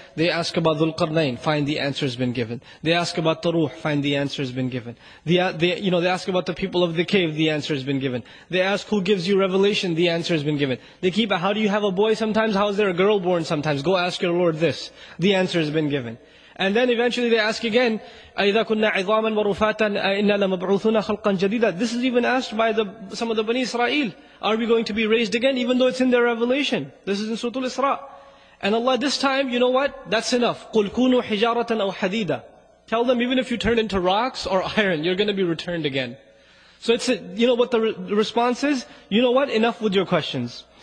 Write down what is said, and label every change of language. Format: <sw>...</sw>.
<en>They ask about Dhul Qarnayn, find the answer has been given. They ask about Taruh, find the answer has been given. They ask about the people of the cave, the answer has been given. They ask who gives you revelation, the answer has been given. They keep, how do you have a boy sometimes? How is there a girl born sometimes? Go ask your Lord this. The answer has been given. And then eventually they ask again,</en> <ar>أَإِذَا كُنَّا عِظَامًا وَرُفَاتًا أَإِنَّا لَمَبْعُوثُنَا خَلْقًا جَدِيدًا.</ar> <en>This is even asked by some of the Bani Israel. Are we going to be raised again? Even though it's in their revelation. This is in Surah Al-Isra. And Allah, this time, you know what? That's enough.</en> <ar>قُلْ كُونُوا حِجَارَةً أَوْ حَدِيدًا.</ar> <en>Tell them, even if you turn into rocks or iron, you're going to be returned again. So it's, you know what the response is? You know what? Enough with your questions.</en>